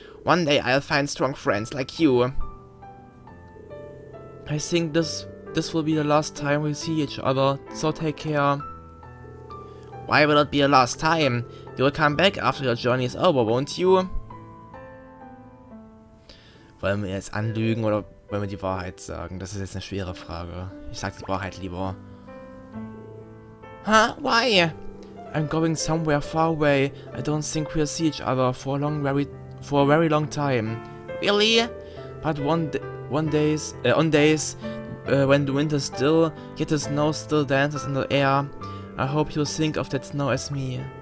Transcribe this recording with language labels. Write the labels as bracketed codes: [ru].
[en] One day I'll find strong friends like you. I think this will be the last time we see each other, so take care. Why will it be the last time? You'll come back after your journey is over, won't you? [de] Wollen wir jetzt anlügen oder wollen wir die Wahrheit sagen? Das ist jetzt eine schwere Frage. Ich sag die Wahrheit lieber. [en] Huh? Why? I'm going somewhere far away. I don't think we'll see each other for a long, very long time. Really? But on days when the winter still, yet the snow still dances in the air, I hope you'll think of that snow as me.